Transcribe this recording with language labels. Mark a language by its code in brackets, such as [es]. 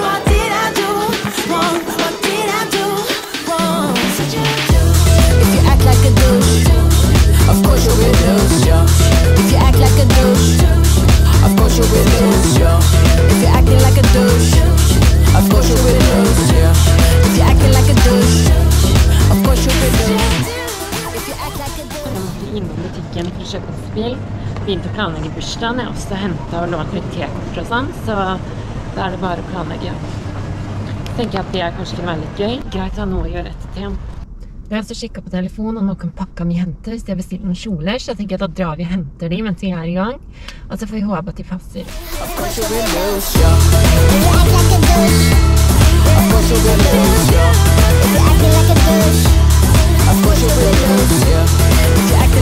[en] What did I do wrong? What did I do wrong? If you act like a douche, of course you will lose, yeah. If you act like a douche, of course you will lose, yeah. If you're acting like a douche, of course you will lose, yeah. [no] Jeg måtte innom butikken for å kjøpe spill. Begynte å planlegge bursdagen. Jeg har også hentet og lånt litt t-kort og sånn. Så da er det bare å planlegge. Tenker jeg at det kanskje kunne være litt gøy. Greit å ha noe å gjøre etter til. Jeg har også kikket på telefonen, og noen pakker vi henter hvis de har bestilt noen kjoler. Så jeg tenker at da drar vi og henter dem mens vi er i gang. Og så får vi håpe at de passer. [en] Of course you will lose, yeah. If you act like a douche, of course you will lose, yeah. If you act like a douche, of course you will lose, yeah. If you act like a douche,